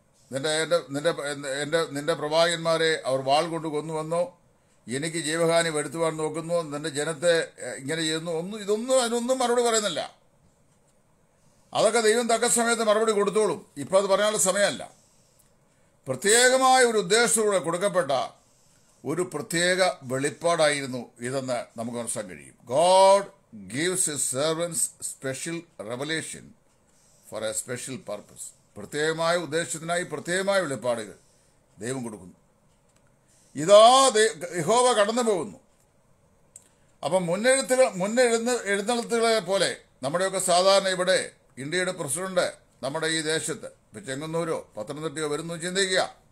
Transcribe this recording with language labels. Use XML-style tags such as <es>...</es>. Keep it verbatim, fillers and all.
<ml>നിന്റെ നിന്റെ എൻ്റെ നിന്റെ പ്രവാചകന്മാരെ അവർ വാൾ കൊണ്ട് കൊന്നുവന്നോ, എനിക്ക് ജീവഹാനി വരുത്തുവാൻ നോക്കുന്നു, നിന്റെ ജനത്തെ ഇങ്ങനെ ചെയ്യുന്നു, ഒന്നും ഇതൊന്നും അതിനൊന്നും മറുപടി പറയുന്നില്ല. അതൊക്കെ ദൈവം തക്ക സമയത്ത് മറുപടി കൊടുത്തോളും. ഇപ്പം അത് പറയാനുള്ള സമയമല്ല. പ്രത്യേകമായ ഒരു ഉദ്ദേശത്തോടെ കൊടുക്കപ്പെട്ട ഒരു പ്രത്യേക വെളിപ്പാടായിരുന്നു ഇതെന്ന് നമുക്ക് മനസ്സിലാക്കാൻ കഴിയും.</ml> <en>God gives his servants special revelation for a special purpose.</en> <ml>പ്രത്യേകമായ ഉദ്ദേശത്തിനായി പ്രത്യേകമായ വെളിപ്പാടുകൾ ദൈവം കൊടുക്കുന്നു. ഇതാ യഹോവ കടന്നു പോകുന്നു. അപ്പം മുന്നെഴുത്തുകൾ മുന്നെഴുന്ന് എഴുന്നള്ളത്തുകളെ പോലെ നമ്മുടെയൊക്കെ സാധാരണ ഇവിടെ ഇന്ത്യയുടെ പ്രസിഡന്റ് നമ്മുടെ ഈ ദേശത്ത് ഇപ്പം ചെങ്ങന്നൂരോ പത്തനംതിട്ടയോ വരുന്നു ചിന്തിക്കുക.</ml>